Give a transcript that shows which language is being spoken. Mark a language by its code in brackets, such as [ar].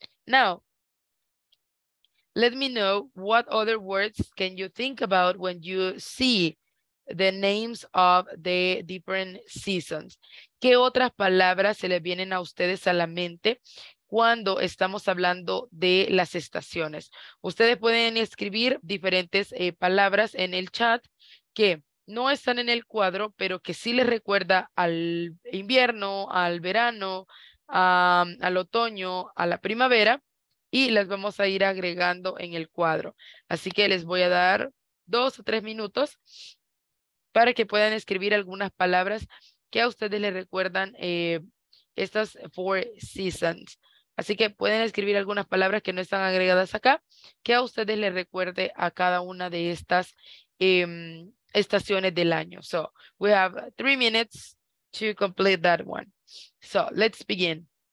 [en] Now, let me know what other words can you think about when you see the names of the different seasons. [es] ¿Qué otras palabras se le vienen a ustedes a la mente cuando estamos hablando de las estaciones? Ustedes pueden escribir diferentes palabras en el chat que no están en el cuadro, pero que sí les recuerda al invierno, al verano, al otoño, a la primavera. Y las vamos a ir agregando en el cuadro. Así que les voy a dar 2 o 3 minutos para que puedan escribir algunas palabras que a ustedes les recuerdan estas 4 seasons. Así que pueden escribir algunas palabras que no están agregadas acá, que a ustedes les recuerde a cada una de estas estaciones del año. [en] So, we have 3 minutes to complete that one. So, let's begin.